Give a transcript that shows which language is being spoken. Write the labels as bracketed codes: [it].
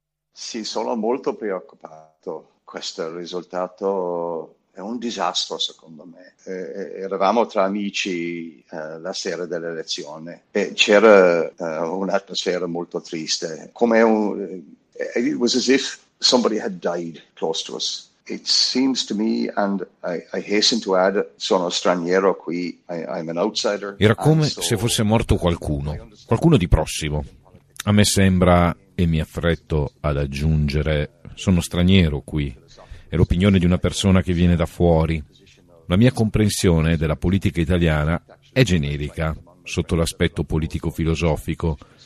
[it] Sì, sono molto preoccupato. Questo è il risultato. È un disastro, secondo me. Eravamo tra amici la sera dell'elezione e c'era un'atmosfera molto triste. [en] Come it was as if somebody had died close to us. It seems to me, and I hasten to add, [it] sono straniero qui, [en] I'm an outsider. [it] Era come se fosse morto qualcuno di prossimo. A me sembra, e mi affretto ad aggiungere, sono straniero qui. È l'opinione di una persona che viene da fuori. La mia comprensione della politica italiana è generica, sotto l'aspetto politico-filosofico.